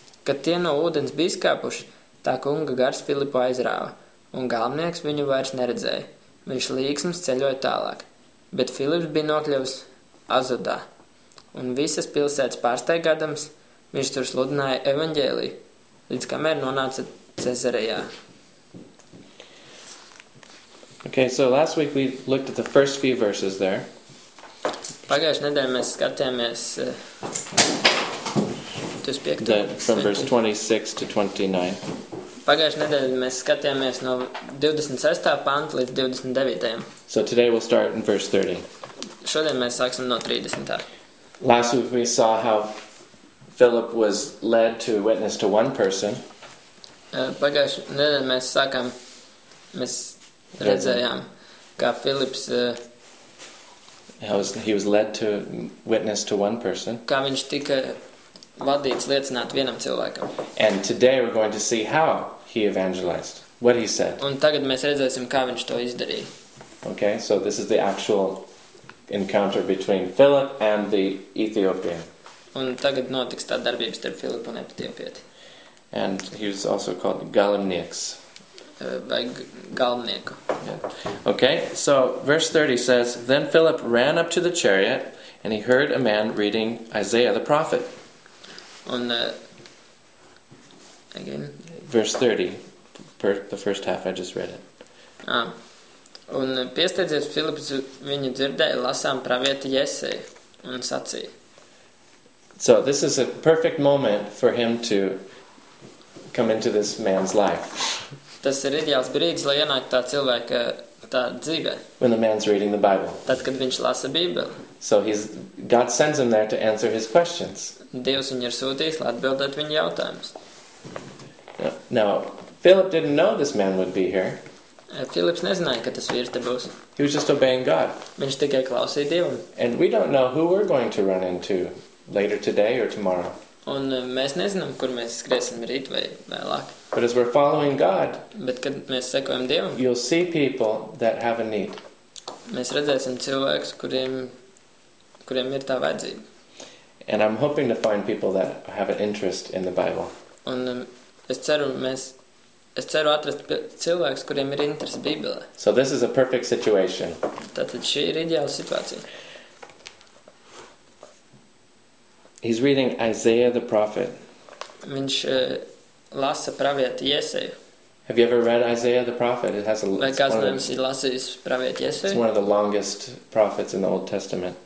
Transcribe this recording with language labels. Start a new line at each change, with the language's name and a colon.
Latvian: Kad tie no ūdens bija skāpuši, tā kunga gars Filipu aizrāva, un galvenieks viņu vairs neredzēja. Viņš līksms ceļoja tālāk, bet Filips bija nokļuvis Azodā, un visas pilsētas pārsteigadams viņš tur sludināja evaņģēliju, līdz kamēr nonāca Cezarejā.
English: Okay, so last week we looked at the first few verses there.
Latvian: Pagājušajā nedēļā mēs skatījāmies tos piektu.
English: From verse 26 to 29.
Latvian: Pagājušajā nedēļā mēs skatījāmies no 26. Panta līdz 29.
English: So today we'll start in verse 30.
Latvian: Šodien mēs sāksim no 30.
English: Last week we saw how Philip was led to witness to one person.
Latvian: Pagājušajā nedēļā mēs redzējām, kā Philips
English: He was led to witness to one person.
Latvian: Kā viņš tika vadīts liecināt vienam cilvēkam.
English: And today we're going to see how he evangelized, what he said.
Latvian: Un tagad mēs redzēsim, kā viņš to izdarīja.
English: Okay, so this is the actual encounter between Philip and the Ethiopian.
Latvian: Un tagad notiks tā darbība starp Filipu un Etiopieti.
English: And he was also called Galimnieks.
Latvian: Vai Galimnieku.
English: Yeah. Okay, so verse 30 says, then Philip ran up to the chariot, and he heard a man reading Isaiah the prophet. Un, again? Verse 30, the first half, I just read it. Ah.
Latvian: Un piesteidzies Filips viņu dzirdēja lasām pravieti Jesaja un sacīja.
English: So this is a perfect moment for him to come into this man's life.
Latvian: Tas ir ideāls brīdis, lai ienāktu tā cilvēka tā dzīvē.
English: When the man's reading the Bible.
Latvian: Tad, kad viņš lasa Bībeli.
English: So he's, God sends him there to answer his questions.
Latvian: Dievs viņu ir sūtījis, lai atbildēt viņu jautājumus.
English: Now, Philip didn't know this man would be here.
Latvian: Philips nezināja, ka tas vīrs te būs.
English: He was just obeying God.
Latvian: Viņš tikai klausīja Dievu.
English: And we don't know who we're going to run into later today or tomorrow.
Latvian: Un mēs nezinām, kur mēs skriesim rīt vai vēlāk.
English: But as we're following God,
Latvian: bet kad mēs sekojam Dievam,
English: you'll see people that have a need.
Latvian: Mēs redzēsim cilvēkus, kuriem ir tā vajadzība.
English: And I'm hoping to find people that have an interest in the Bible.
Latvian: Un es ceru atrast cilvēkus, kuriem ir interese Bībelē.
English: So this is a perfect situation.
Latvian: Tātad šī ir ideāla situācija.
English: He's reading Isaiah the prophet.
Latvian: Viņš lasa pravieti Jesaju.
English: Have you ever read Isaiah the prophet? It has a
Latvian: Vai kāds no jums ir lasījis pravieti Jesaju?
English: It's one of the longest prophets in the Old Testament.